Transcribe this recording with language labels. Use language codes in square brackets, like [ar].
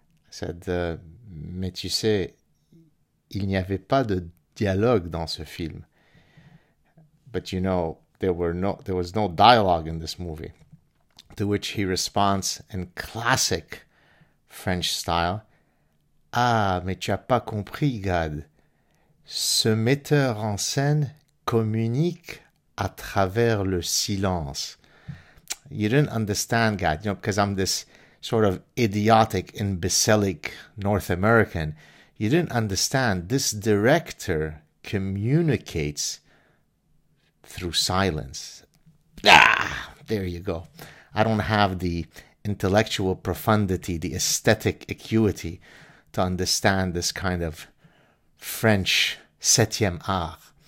[en] I said, [fr] "Mais tu sais, il n'y avait pas de dialogue dans ce film." [en] But there was no dialogue in this movie. To which he responds in classic French style, [fr] "Ah, mais tu as pas compris, Gad. Ce metteur en scène communique à travers le silence." [en] You didn't understand, Gad, because I'm this sort of idiotic, imbecilic North American. You didn't understand. This director communicates through silence. Ah, there you go. I don't have the intellectual profundity, the aesthetic acuity to understand this kind of French septième art.